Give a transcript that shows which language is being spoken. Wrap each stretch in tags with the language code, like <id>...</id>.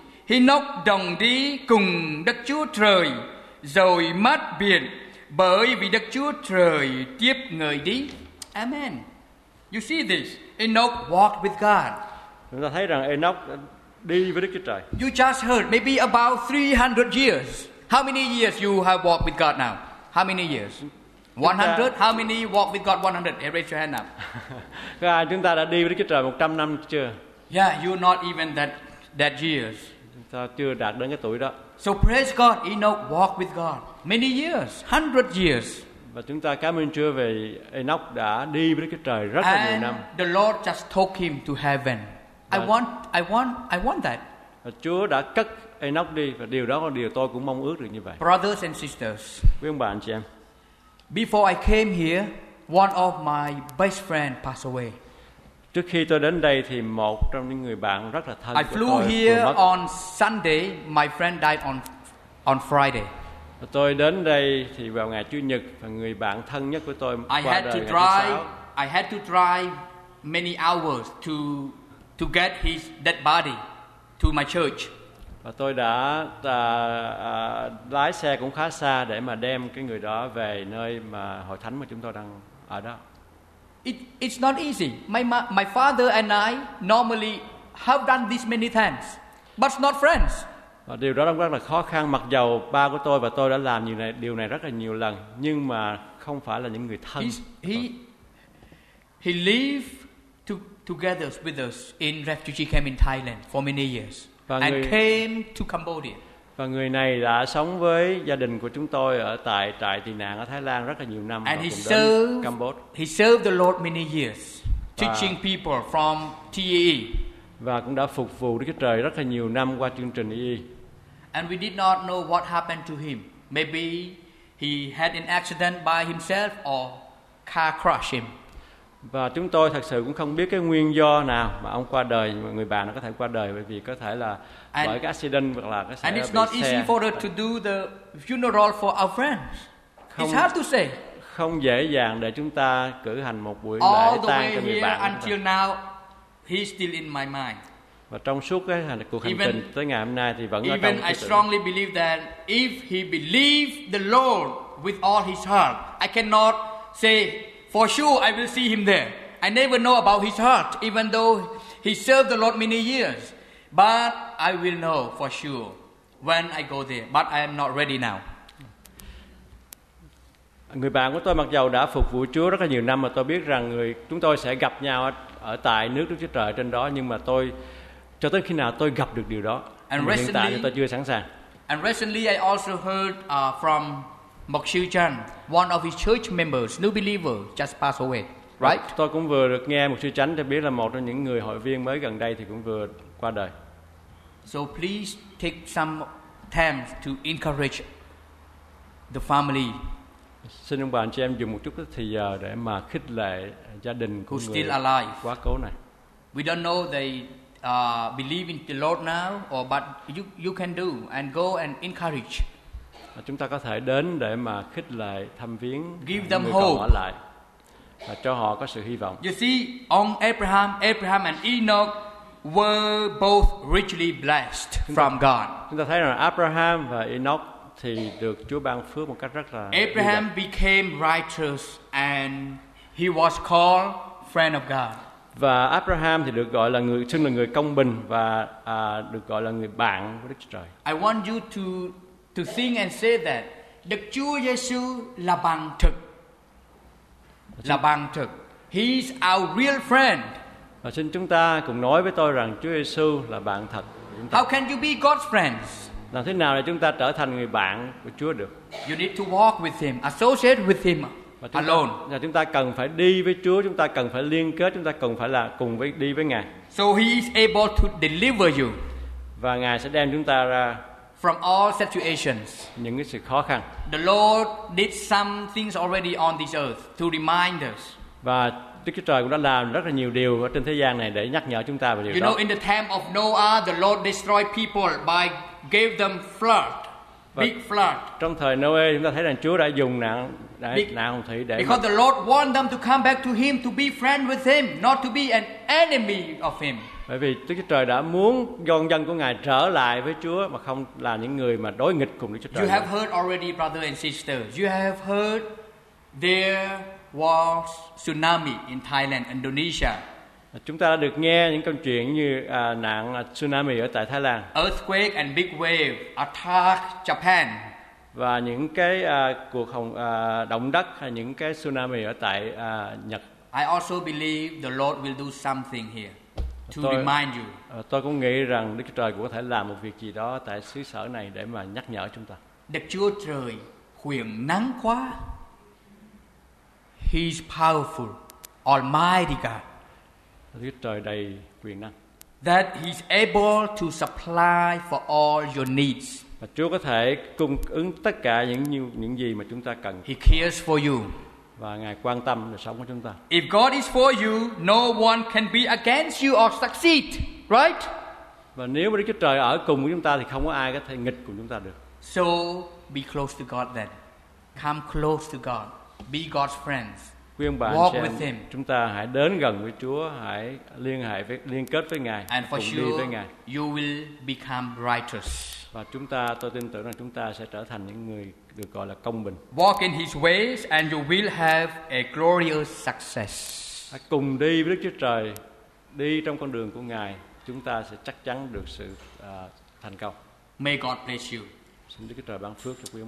<vi>Enoch đồng đi cùng Đức Chúa Trời rồi mất biệt bởi vì Đức Chúa Trời tiếp người đi.</vi> <en>Amen. You see this? Enoch walked with God.</en> <vi>Chúng ta thấy rằng Enoch đi với Đức Chúa Trời.</vi> <en>You just heard maybe about 300 years. How many years you have walked with God now? How many years? 100? How many walk with God 100? Raise your hand up.</en> <vi>Chúng ta đã đi với Đức Chúa Trời 100 năm chưa?</vi> <en>Yeah, you're not even that years.</en> <vi>Chúng ta chưa đạt đến cái tuổi đó.</vi> <en>So praise God, Enoch walked with God many years, 100 years.</en> <vi>Và chúng ta cảm ơn Chúa vì Enoch đã đi với Đức Chúa Trời rất là nhiều năm.</vi> <en>And the Lord just took him to heaven. I want that.</en> <vi>Và Chúa đã cất Enoch đi và điều đó là điều tôi cũng mong ước được như vậy.</vi> <en>Brothers and sisters.</en> <vi>Quý ông bà anh chị em.</vi> <en>Before I came here, one of my best friends passed away.</en> <vi>Trước khi tôi đến đây thì một trong những người bạn rất là thân của tôi.</vi> <en>I flew here on Sunday. My friend died on Friday.</en> <vi>Tôi đến đây thì vào ngày Chủ nhật và người bạn thân nhất của tôi qua đời.</vi> <en>I had to drive many hours to get his dead body to my church.</en> <vi>Và tôi đã lái xe cũng khá xa để mà đem cái người đó về nơi mà hội thánh mà chúng tôi đang ở đó.</vi> <en>It's not easy. My father and I normally have done this many times, but not friends.</en> <vi>Và điều đó rất là khó khăn, mặc dầu ba của tôi và tôi đã làm điều này rất là nhiều lần, nhưng mà không phải là những người thân.</vi> <en>He lived together with us in refugee camp in Thailand for many years. Came to Cambodia.</en> <vi>Và người này đã sống với gia đình của chúng tôi ở tại trại tị nạn ở Thái Lan rất là nhiều năm.</vi> <en>And</en> <vi>và</vi> <en>he served the Lord many years, teaching people from TAE.</en> <vi>Và cũng đã phục vụ Đức Chúa Trời rất là nhiều năm qua chương trình TAE.</vi> <en>And we did not know what happened to him. Maybe he had an accident by himself or car crushed him.</en> <vi>Và chúng tôi thật sự cũng không biết cái nguyên do nào mà ông qua đời, mà người bạn nó có thể qua đời bởi vì có thể là bởi cái accident hoặc là cái xe.</vi> <en>And it's not easy for us to do the funeral for our friends. It's hard to say.</en> <vi>Không dễ dàng để chúng ta cử hành một buổi lễ tang cho người bạn.</vi> <en>Until now, he's still in my mind.</en> <vi>Và trong suốt cái cuộc hành trình tới ngày hôm nay thì vẫn là trong.</vi> <en>Even I strongly believe that if he believed the Lord with all his heart, I cannot say for sure, I will see him there. I never know about his heart, even though he served the Lord many years. But I will know for sure when I go there. But I am not ready now.</en> <vi>Người bạn của tôi mặc dầu đã phục vụ Chúa rất là nhiều năm, mà tôi biết rằng chúng tôi sẽ gặp nhau ở tại nước Đức Chúa Trời trên đó. Nhưng mà tôi cho tới khi nào tôi gặp được điều đó, hiện tại thì tôi chưa sẵn sàng.</vi> <en>And recently, I also heard from Mục sư Chan, one of his church members, new believer, just passed away, right?</en> <vi>Tôi cũng vừa được nghe Mục sư Chan cho biết là một trong những người hội viên mới gần đây thì cũng vừa qua đời.</vi> <en>So please take some time to encourage the family.</en> <vi>Xin ông bà anh chị em dùng một chút thời giờ để mà khích lệ gia đình của người</vi> <en>still alive.</en> <vi>Quá cố này.</vi> <en>We don't know they believe in the Lord now, or but you can do and go and encourage.</en> <vi>Chúng ta có thể đến để mà khích lệ thăm viếng</vi> <en>give</en> <vi>những</vi> <en>them</en> <vi>người</vi> <en>hope.</en> <vi>Còn ở lại và cho họ có sự hy vọng.</vi> <en>You see, on Abraham and Enoch were both richly blessed from God.</en> <vi>Chúng ta thấy rằng Abraham và Enoch thì được Chúa ban phước một cách rất là.</vi> <en>Abraham became righteous and he was called friend of God.</en> <vi>Và Abraham thì được gọi là người xưng là người công bình và được gọi là người bạn của Đức Chúa Trời.</vi> <en>I want you to think and say that</en> <vi>Đức Chúa Giêsu là bạn thực. Là bạn thực.</vi> <en>He is our real friend.</en> <vi>Và xin chúng ta cùng nói với tôi rằng Chúa Giêsu là bạn thật.</vi> <en>How can you be God's friends?</en> <vi>Làm thế nào để chúng ta trở thành người bạn của Chúa được?</vi> <en>You need to walk with him, associate with him.</en> <vi>Và chúng ta cần phải đi với Chúa, chúng ta cần phải liên kết, chúng ta cần phải là cùng với đi với Ngài.</vi> <en>So he is able to deliver you.</en> <vi>Và Ngài sẽ đem chúng ta ra</vi> <en>from all situations.</en> <vi>Những cái sự khó khăn.</vi> <en>The Lord did some things already on this earth to remind us.</en> <vi>Và Đức Chúa Trời cũng đã làm rất là nhiều điều ở trên thế gian này để nhắc nhở chúng ta về điều đó.</vi> <en>You know, in the time of Noah, the Lord destroyed people by gave them flood. Big flood.</en> <vi>Trong thời Noe chúng ta thấy rằng Chúa đã dùng nạn thủy để</vi> <en>because the Lord wanted them to come back to him to be friend with him, not to be an enemy of him.</en> <vi>Bởi vì Đức Chúa Trời đã muốn con dân của Ngài trở lại với Chúa mà không là những người mà đối nghịch cùng Đức Chúa Trời.</vi> <en>You have heard already, brother and sister. You have heard there was tsunami in Thailand, Indonesia.</en> <vi>Chúng ta đã được nghe những câu chuyện như nạn tsunami ở tại Thái Lan.</vi> <en>Earthquake and big wave attack Japan.</en> <vi>Và những cái cuộc động đất hay những cái tsunami ở tại Nhật.</vi> <en>I also believe the Lord will do something here to remind you.</en> <vi>Tôi cũng nghĩ rằng Đức Chúa Trời cũng có thể làm một việc gì đó tại xứ sở này để mà nhắc nhở chúng ta. Đức Chúa Trời quyền năng quá.</vi> <en>He's powerful, Almighty God.</en> <vi>Đức Chúa Trời đầy quyền năng.</vi> <en>That he is able to supply for all your needs.</en> <vi>Và Chúa có thể cung ứng tất cả những gì mà chúng ta cần.</vi> <en>He cares for you.</en> <vi>Và Ngài quan tâm đời sống của chúng ta.</vi> <en>If God is for you, no one can be against you or succeed, right?</en> <vi>Và nếu mà Đức Chúa Trời ở cùng với chúng ta thì không có ai có thể nghịch cùng chúng ta được.</vi> <en>So be close to God then. Come close to God. Be God's friends.</en> <vi>Quý ông bà anh chị em, chúng ta hãy đến gần với Chúa, hãy liên kết với Ngài,</vi> <en>and</en> <vi>cùng</vi> <en>sure,</en> <vi>đi với Ngài.</vi> <en>You will become righteous.</en> <vi>Và chúng ta, tôi tin tưởng rằng chúng ta sẽ trở thành những người được gọi là công bình.</vi> <en>Walk in His ways and you will have a glorious success.</en> <vi>Hãy cùng đi với Đức Chúa Trời, đi trong con đường của Ngài, chúng ta sẽ chắc chắn được sự thành công.</vi> <en>May God bless you.</en> <vi>Xin Đức Chúa Trời ban phước cho quý ông</vi>